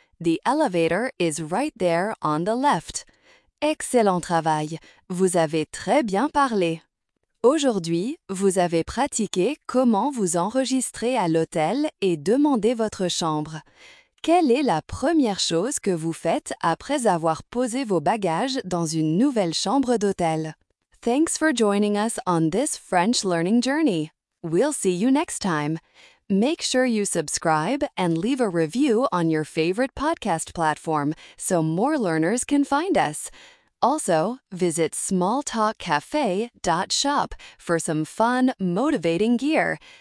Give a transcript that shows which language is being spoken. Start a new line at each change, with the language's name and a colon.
English: The elevator is right there on the left.
French: Excellent travail. Vous avez très bien parlé. Aujourd'hui, vous avez pratiqué comment vous enregistrer à l'hôtel et demander votre chambre. Quelle est la première chose que vous faites après avoir posé vos bagages dans une nouvelle chambre d'hôtel?
English: Thanks for joining us on this French learning journey. We'll see you next time. Make sure you subscribe and leave a review on your favorite podcast platform so more learners can find us. Also, visit smalltalkcafe.shop for some fun, motivating gear.